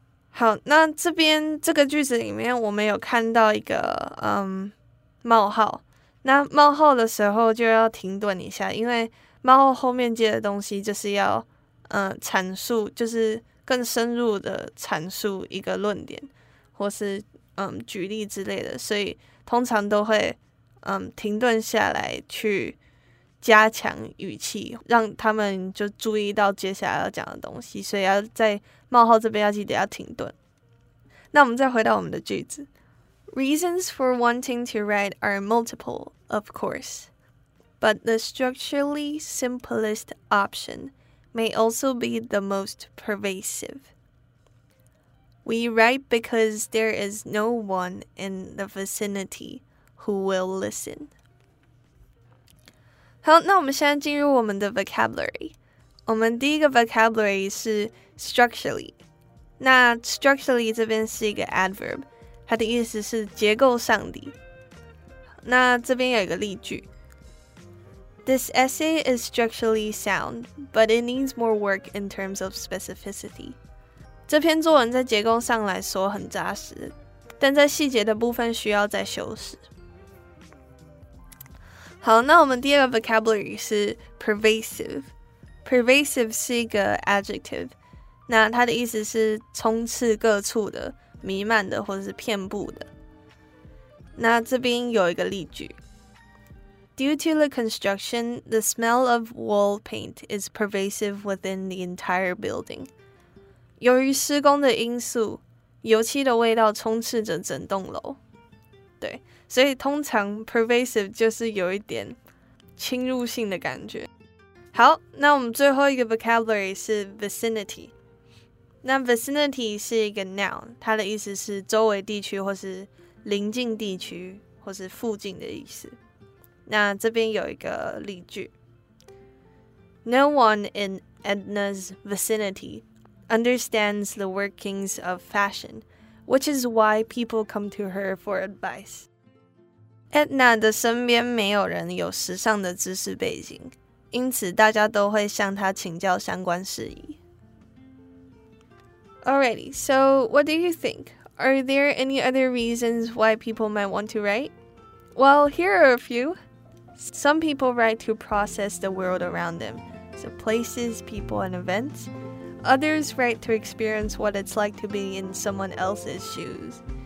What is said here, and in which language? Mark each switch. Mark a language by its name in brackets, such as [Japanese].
[Chinese] 好，那这边这个句子里面我们有看到一个冒号，那冒号的时候就要停顿一下，因为冒号后面接的东西就是要阐述，就是更深入的阐述一个论点或是举例之类的，所以通常都会停顿下来去加强语气，让他们就注意到接下来要讲的东西，所以要在冒号这边要记得要停顿。那我们再回到我们的句子。 [English] Reasons for wanting to write are multiple, of course, but the structurally simplest option may also be the most pervasive. We write because there is no one in the vicinity who will listen. [Chinese] 好，那我们现在进入我们的 vocabulary。我们第一个 vocabulary 是 structurally。那 structurally 这边是一个 adverb， 它的意思是结构上的。那这边有一个例句 [English] ：This essay is structurally sound, but it needs more work in terms of specificity。 [Chinese] 这篇作文在结构上来说很扎实，但在细节的部分需要再修饰。好，那我们第二个 vocabulary 是 pervasive。 pervasive 是一个 adjective， 那它的意思是充斥各处的、弥漫的或是遍布的。那这边有一个例句 [English] Due to the construction, the smell of wall paint is pervasive within the entire building. [Chinese] 由于施工的因素，油漆的味道充斥着整栋楼。对，所以通常 pervasive 就是有一点侵入性的感觉。好，那我们最后一个 vocabulary 是 vicinity。那 vicinity 是一个 noun， 它的意思是周围地区或是邻近地区或是附近的意思。那这边有一个例句 [English] No one in Edna's vicinity understands the workings of fashion, which is why people come to her for advice。 [Chinese] Edna 的身边没有人有时尚的知识背景，因此大家都会向她请教相关事宜。 [English] Alrighty, so what do you think? Are there any other reasons why people might want to write? Well, here are a few. Some people write to process the world around them, so places, people, and events. Others write to experience what it's like to be in someone else's shoes.